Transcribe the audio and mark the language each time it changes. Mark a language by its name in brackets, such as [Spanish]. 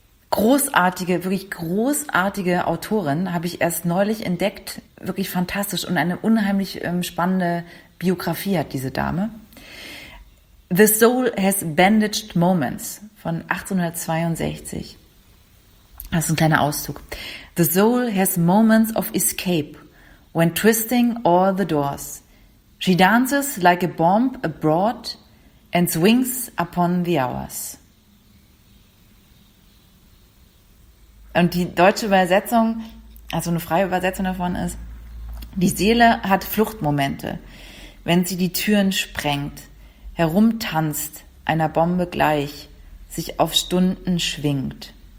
[German] Großartige, wirklich großartige Autorin habe ich erst neulich entdeckt. Wirklich fantastisch und eine unheimlich spannende Biografie hat diese Dame. The Soul Has Bandaged Moments von 1862. Das ist ein kleiner Auszug. [English] The soul has moments of escape when twisting all the doors. She dances like a bomb abroad and swings upon the hours. [German] Und die deutsche Übersetzung, also eine freie Übersetzung davon ist, die Seele hat Fluchtmomente, wenn sie die Türen sprengt, herumtanzt, einer Bombe gleich, sich auf Stunden schwingt.